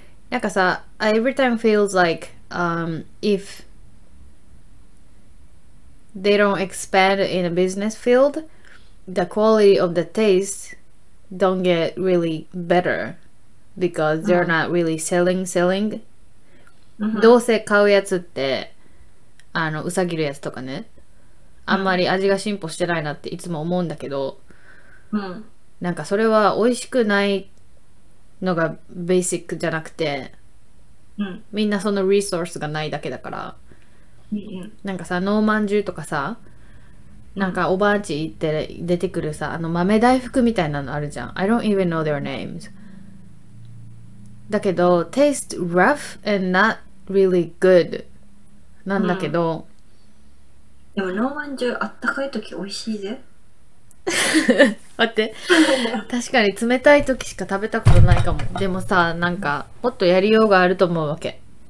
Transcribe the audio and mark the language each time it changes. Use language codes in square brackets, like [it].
[ja] なんかさ、 [en] every time feels like, if they don't expand in a business field, the quality of the taste don't get really better. Because they're not really selling. [ja] どうせ買うやつってあのうさぎるやつとかね、あんまり味が進歩してないなっていつも思うんだけど、なんかそれは美味しくないのがベーシックじゃなくて、みんなそのリソースがないだけだから、なんかさ、ノーマンジュとかさ、なんかおばあち行って出てくるさ、あの豆大福みたいなのあるじゃん。 [en] I don't even know their names [ja] だけど、 [en] taste rough and not really good [ja] なんだけど、でもノーマンジュあったかいとき美味しいぜ待って確かに冷たいときしか食べたことないかも。でもさ、なんかもっとやりようがあると思うわけ。